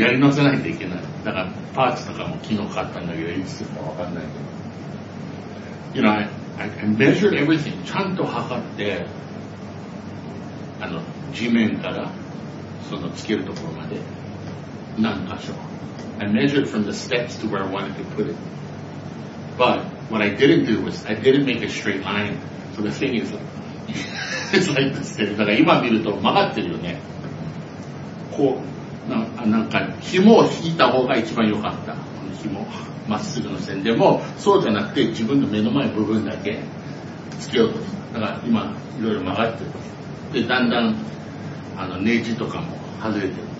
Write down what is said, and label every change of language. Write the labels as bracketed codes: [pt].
[ja] やり直さないといけない。だからパーツとかも昨日買ったんだけど、いつかわかんないけど。 [en] You know, I measured everything. [ja] ちゃんと測って、地面からそのつけるところまで何箇所。 [en] I measured from the steps to where I wanted to put it. But what I didn't do was I didn't make a straight line. So the thing is, It's like this. [ja] だから今見ると曲がってるよね。こう、なんか、紐を引いた方が一番良かった。この紐、まっすぐの線でも、そうじゃなくて自分の目の前の部分だけつけようとした。だから今、いろいろ曲がってる。で、だんだん、ネジとかも外れてる。